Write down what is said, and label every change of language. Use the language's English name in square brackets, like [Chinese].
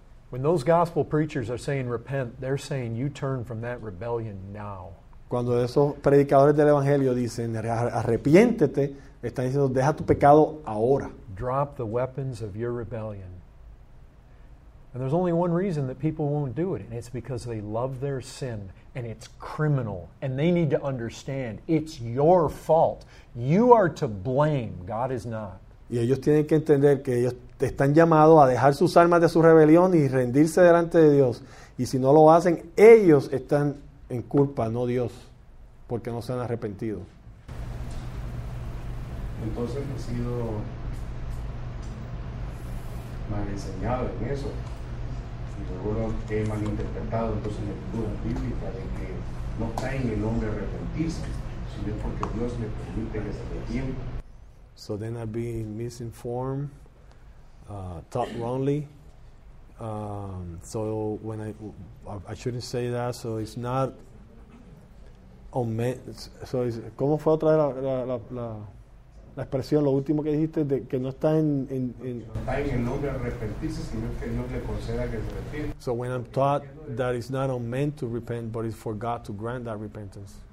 [English] When those gospel preachers are saying repent, they're saying you turn from that rebellion now. [Spanish] Cuando esos predicadores del evangelio dicen arrepiéntete, están diciendo deja tu pecado ahora. [English] Drop the weapons of your rebellion. And there's only one reason that people won't do it, and it's because they love their sin. And it's criminal. And they need to understand it's your fault. You are to blame. God is not. [Spanish] Y ellos tienen que entender que ellos están llamados a dejar sus armas de su rebelión y rendirse delante de Dios. Y si no lo hacen, ellos están en culpa, no Dios, porque no se han arrepentido. Entonces he sido mal enseñado en eso. Seguro que he malinterpretado entonces la lectura bíblica de que no cae en el hombre arrepentirse, sino es porque Dios le permite que se arrepienta. [English] So then I've been misinformed, taught wrongly. So I shouldn't say that. So it's not on me. So is, [Spanish] ¿cómo fue otra la expresión, lo último que dijiste, de que no está en el hombre arrepentirse, sino que Dios le conceda que se arrepienta? [English] So when I'm taught that it's not on men to repent, but it's for God to grant that repentance.